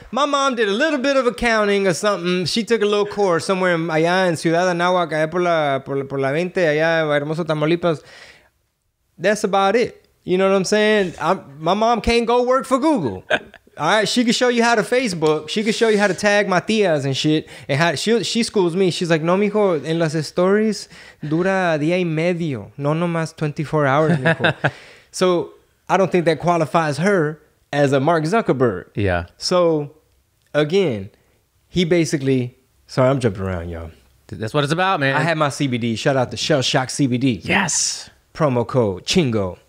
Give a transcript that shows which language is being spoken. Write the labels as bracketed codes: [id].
[en] My mom did a little bit of accounting or something. She took a little course somewhere [es] allá en Ciudad Anáhuac, allá por la 20, allá en Hermoso Tamaulipas. [en] That's about it. You know what I'm saying? My mom can't go work for Google. All right, she can show you how to Facebook. She can show you how to tag my tías and shit. And how she schools me. She's like, [es] no, mijo, en las stories dura día y medio. No, no más [en] 24 hours, [es] mijo. [en] So I don't think that qualifies her as a Mark Zuckerberg. Yeah. So again, he basically, sorry, I'm jumping around, y'all. That's what it's about, man. I have my CBD. Shout out to Shell Shock CBD. Yes. Promo code Chingo.